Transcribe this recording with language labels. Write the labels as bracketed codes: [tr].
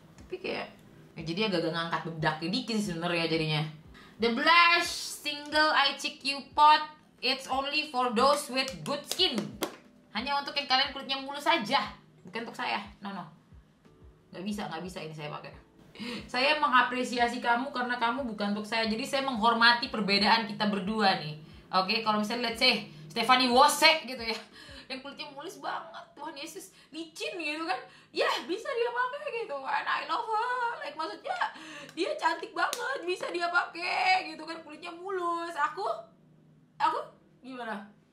[id] Tapi kayak ya jadi agak-agak ngangkat bedaknya dikit sebenarnya jadinya. [en] The blush single I Cheek You Pot, it's only for those with good skin. [id] Hanya untuk yang kalian kulitnya mulus aja, bukan untuk saya. No. Enggak bisa ini saya pakai. Saya mengapresiasi kamu karena kamu bukan untuk saya. Jadi saya menghormati perbedaan kita berdua nih. Oke, kalau misalnya [en] let's say [id] Stephanie Wosek gitu ya, yang kulitnya mulus banget, Tuhan Yesus, licin gitu kan, ya bisa dia pakai gitu, [en] and I love her, like [id] maksudnya dia cantik banget, bisa dia pakai gitu kan, kulitnya mulus, aku gimana?